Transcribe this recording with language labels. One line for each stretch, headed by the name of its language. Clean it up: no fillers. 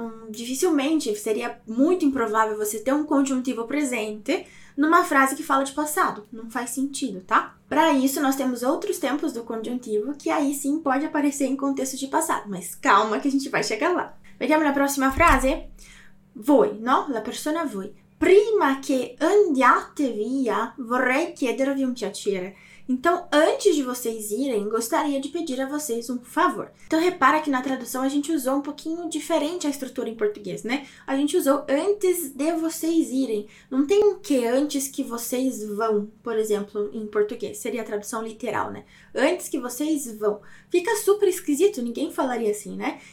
Portuguese: Dificilmente seria muito improvável você ter um conjuntivo presente numa frase que fala de passado. Não faz sentido, tá? Para isso, nós temos outros tempos do conjuntivo que aí sim pode aparecer em contexto de passado. Mas calma que a gente vai chegar lá.
Italian: Vediamo
Portuguese: na próxima frase.
Italian: Voi, no? La persona voi. Prima che andiate via, vorrei chiedervi un piacere.
Portuguese: Então, antes de vocês irem, gostaria de pedir a vocês um favor. Então, repara que na tradução a gente usou um pouquinho diferente a estrutura em português, né? A gente usou antes de vocês irem. Não tem um que antes que vocês vão, por exemplo, em português. Seria a tradução literal, né? Antes que vocês vão. Fica super esquisito, ninguém falaria assim, né?